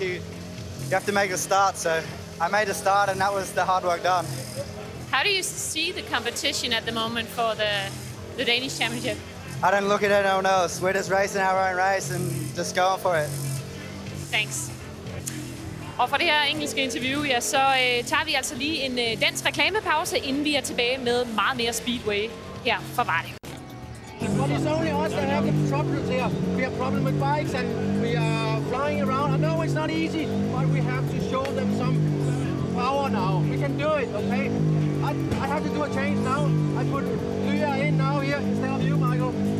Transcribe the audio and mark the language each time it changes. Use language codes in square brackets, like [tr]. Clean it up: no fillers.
[en] You have to make a start, so I made a start, and that was the hard work done. How do you see the competition at the moment for the Danish Championship? I don't look at it, no one else. We're just racing our own race and just going for it. Thanks. [da] Og for det her engelske interview, ja, så tager vi altså lige en dansk reklamepause, inden vi er tilbage med meget mere speedway her fra Varde. [en] But it's only us that have the problems here. We have problems with bikes and we are flying around. I know it's not easy, but we have to show them some power now. We can do it, okay? I have to do a change now. I put Lya in now here instead of you, Michael.